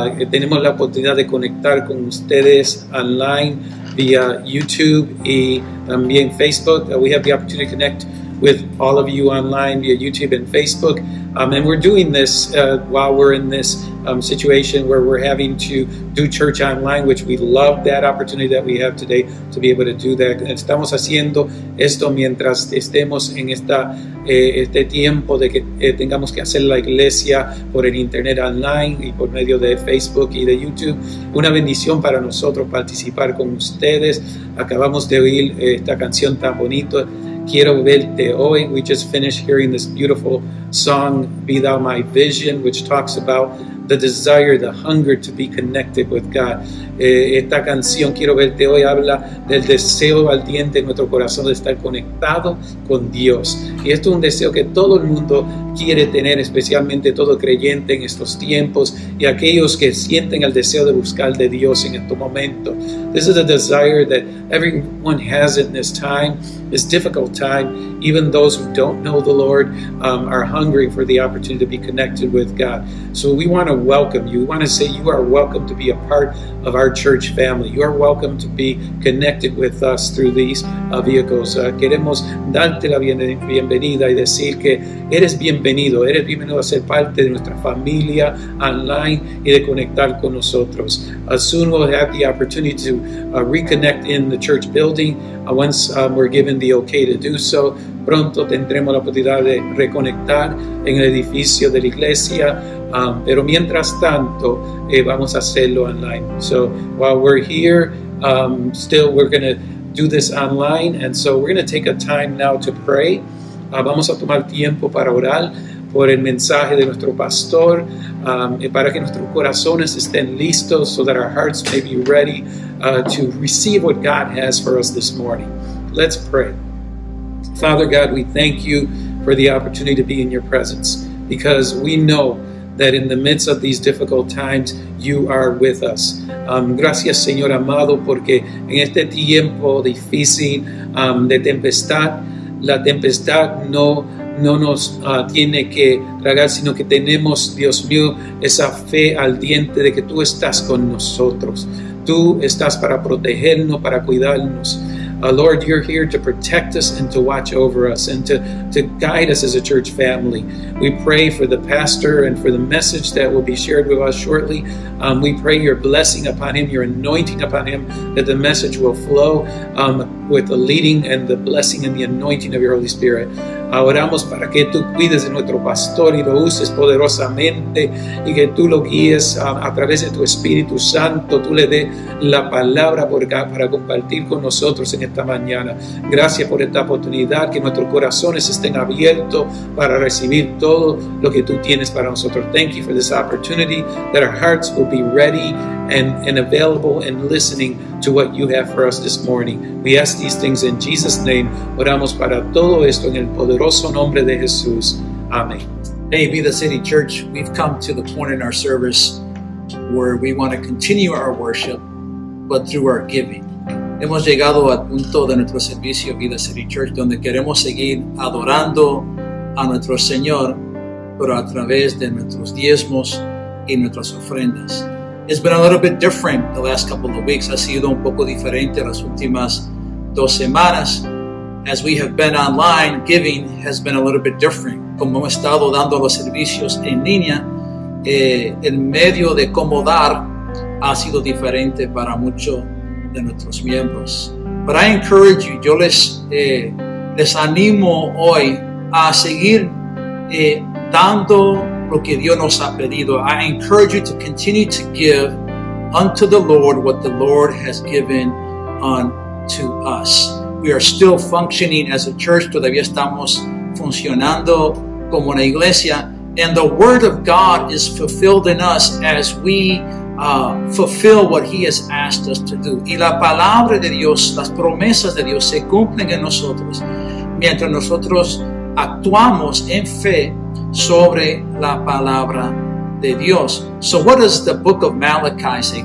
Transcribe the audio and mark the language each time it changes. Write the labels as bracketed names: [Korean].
[Spanish] Tenemos la oportunidad de conectar con ustedes online via YouTube y también Facebook. [English] We have the opportunity to connect with all of you online via YouTube and Facebook. And we're doing this while we're in this situation where we're having to do church online, which we love that opportunity that we have today to be able to do that. [Spanish] Estamos haciendo esto mientras estemos en esta este tiempo de que tengamos que hacer la iglesia por el internet online y por medio de Facebook y de YouTube. Una bendición para nosotros participar con ustedes. Acabamos de oír esta canción tan bonita, Quiero Verte Hoy. [English] We just finished hearing this beautiful song, Be Thou My Vision, which talks about the desire, the hunger to be connected with God. [Spanish] Esta canción, Quiero Verte Hoy, habla del deseo ardiente en nuestro corazón de estar conectado con Dios. Y esto es un deseo que todo el mundo quiere tener, especialmente todo creyente en estos tiempos y aquellos que sienten el deseo de buscar de Dios en estos momentos. [English] This is a desire that everyone has in this time, this difficult time. Even those who don't know the Lord are hungering for the opportunity to be connected with God. So we want to welcome you. We want to say you are welcome to be a part of our church family. You are welcome to be connected with us through these vehicles. [Spanish] Queremos darte la bienvenida y decir que eres bienvenido. Eres bienvenido a ser parte de nuestra familia online y de conectar con nosotros. [English] Soon we'll have the opportunity to reconnect in the church building once we're given the okay to do so. [Spanish] Pronto tendremos la oportunidad de reconectar en el edificio de la iglesia. Pero mientras tanto, vamos a hacerlo online. [English] So while we're here, still we're going to do this online. And so we're going to take a time now to pray. [Spanish] Vamos a tomar tiempo para orar por el mensaje de nuestro pastor, para que nuestros corazones estén listos, [English] so that our hearts may be ready to receive what God has for us this morning. Let's pray. Father God, we thank you for the opportunity to be in your presence, because we know that in the midst of these difficult times, you are with us. [Spanish] Gracias, Señor amado, porque en este tiempo difícil de tempestad, la tempestad no nos tiene que tragar, sino que tenemos, Dios mío, esa fe ardiente de que tú estás con nosotros. Tú estás para protegernos, para cuidarnos. [English] Lord, you're here to protect us and to watch over us and to guide us as a church family. We pray for the pastor and for the message that will be shared with us shortly. We pray your blessing upon him, your anointing upon him, that the message will flow with the leading and the blessing and the anointing of your Holy Spirit. [Spanish] Oramos para que tú cuides de nuestro pastor y lo uses poderosamente y que tú lo guíes a través de tu Espíritu Santo. Tú le des la palabra para compartir con nosotros en esta mañana. Gracias por esta oportunidad, que nuestros corazones estén abiertos para recibir todo lo que tú tienes para nosotros. [English] Thank you for this opportunity, that our hearts will be ready and available and listening to what you have for us this morning. We ask these things in Jesus' name. [Spanish] Oramos para todo esto en el poderoso nombre de Jesús. Amén. [English] Hey, Vida City Church, we've come to the point in our service where we want to continue our worship, but through our giving. [Spanish] Hemos llegado al punto de nuestro servicio, Vida City Church, donde queremos seguir adorando a nuestro Señor, pero a través de nuestros diezmos y nuestras ofrendas. [English] It's been a little bit different the last couple of weeks. [Spanish] Ha sido un poco diferente las últimas dos semanas. [English] As we have been online, giving has been a little bit different. [Spanish] Como hemos estado dando los servicios en línea, el medio de cómo dar ha sido diferente para muchos de nuestros miembros. [English] But I encourage you, [Spanish] yo les animo hoy a seguir dando lo que Dios nos ha pedido. [English] I encourage you to continue to give unto the Lord what the Lord has given unto us. We are still functioning as a church. [Spanish] Todavía estamos funcionando como una iglesia. [English] And the word of God is fulfilled in us as we fulfill what he has asked us to do. [Spanish] Y la palabra de Dios, las promesas de Dios se cumplen en nosotros mientras nosotros actuamos en fe sobre la palabra de Dios. [English] So what does the book of Malachi say?